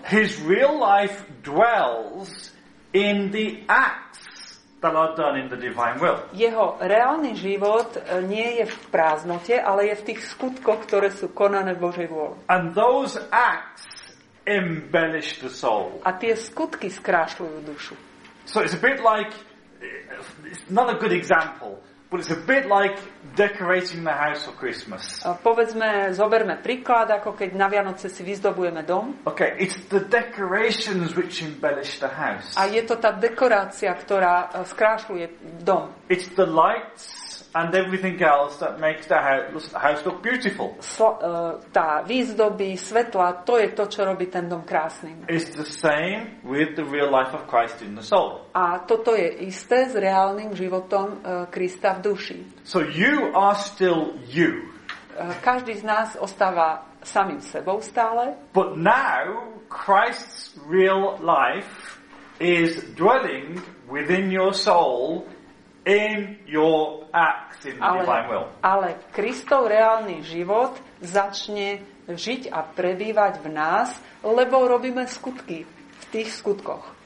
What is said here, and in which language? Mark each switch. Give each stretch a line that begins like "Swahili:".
English: His real life dwells in the acts that are done in the divine will.
Slovak: Jeho reálny život nie je v prázdnote, ale je v tých skutkoch, ktoré sú konané v Božej vôli.
English: And those acts embellish the soul.
Slovak: A tie skutky skrášľujú dušu.
English: So it's a bit like, it's not a good example, but it's a bit like decorating the house for Christmas.
Slovak: Povedzme, zoberme príklad, ako keď na Vianoce si vyzdobujeme dom.
English: Okay, it's the decorations which embellish the house.
Slovak: A je to tá dekorácia, ktorá skrášľuje dom.
English: It's the lights and everything else that makes the house look beautiful.
Slovak: Tá výzdoby, svetla, to je to, čo robí ten dom krásnym.
English: It's the same with the real life of Christ in the soul.
Slovak: A toto je isté s reálnym životom Krista v duši.
English: So you are still you.
Slovak: Každý z nás ostáva samým sebou stále.
English: But now Christ's real life is dwelling within your soul in your acts in the divine will.
Slovak: Ale Kristov reálny život začne žiť a prebývať v nás, lebo robíme skutky v tých skutkoch.